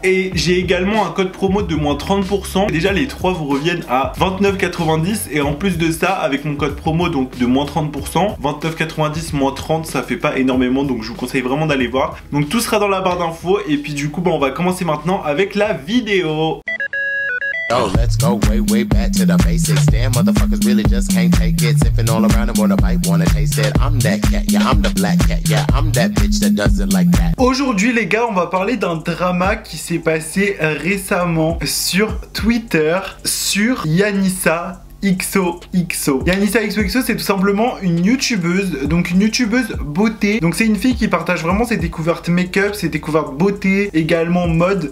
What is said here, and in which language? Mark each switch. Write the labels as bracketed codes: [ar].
[fr] Et j'ai également un code promo de moins 30%. Déjà les 3 vous reviennent à 29,90€, et en plus de ça avec mon code promo donc de moins 30%, 29,90€ moins 30, ça fait pas énormément, donc je vous conseille vraiment d'aller voir. Donc tout sera dans la barre d'infos, et puis du coup bah, on va commencer maintenant avec la vidéo. [en] Yo, let's go way back to the basics. Damn, motherfuckers really just can't take it. Sipping all around and wanna bite, wanna taste it. I'm that cat, yeah, I'm the black cat. Yeah, I'm that bitch that does it like that. [fr] Aujourd'hui, les gars, on va parler d'un drama qui s'est passé récemment sur Twitter, sur Yanissa XOXO. Yanissa XOXO, c'est tout simplement une youtubeuse, donc une youtubeuse beauté. Donc c'est une fille qui partage vraiment ses découvertes make-up, ses découvertes beauté, également mode.